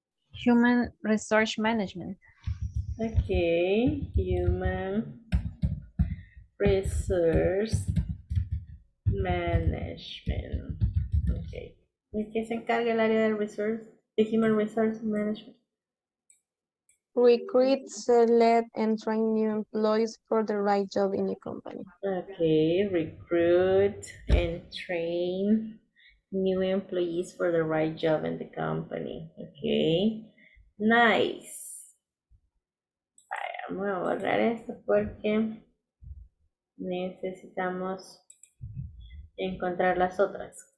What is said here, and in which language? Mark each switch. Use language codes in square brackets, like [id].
[en] Human resource management. Okay. Human resource management. [es] Okay. ¿De qué se encarga el área de resource, de human resource management? [en] Recruit, select, and train new employees for the right job in your company. Okay. Recruit and train new employees for the right job in the company. Okay. Nice. [es] Vamos a borrar esto porque necesitamos encontrar las otras.